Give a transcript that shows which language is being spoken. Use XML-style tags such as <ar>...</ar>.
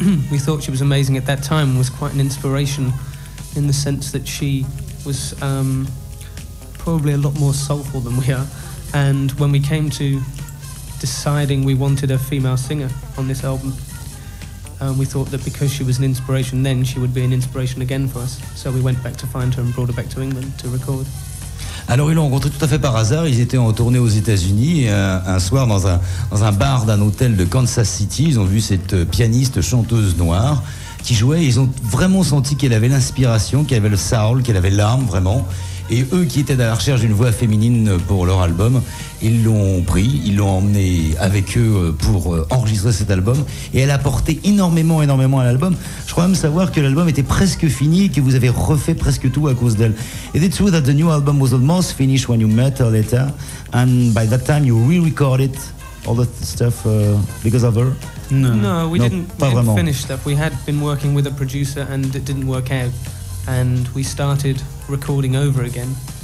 <en>We thought she was amazing at that time, was quite an inspiration in the sense that she was probably a lot more soulful than we are. And when we came to deciding we wanted a female singer on this album, we thought that because she was an inspiration then, she would be an inspiration again for us. So we went back to find her and brought her back to England to record.</en> <fr>Alors ils l'ont rencontré tout à fait par hasard, ils étaient en tournée aux États-Unis et un soir dans un bar d'un hôtel de Kansas City, ils ont vu cette pianiste chanteuse noire qui jouait. Ils ont vraiment senti qu'elle avait l'inspiration, qu'elle avait le soul, qu'elle avait l'âme vraiment. Et eux qui étaient à la recherche d'une voix féminine pour leur album, ils l'ont pris, ils l'ont emmené avec eux pour enregistrer cet album. Et elle a apporté énormément, énormément à l'album. Je crois même savoir que l'album était presque fini et que vous avez refait presque tout à cause d'elle.</fr> <en>Is it true that the new album was almost finished when you met her later? And by that time you re-recorded all the stuff because of her? No, we didn't finish stuff. We had been working with a producer and it didn't work out. And we started recording over again.</en>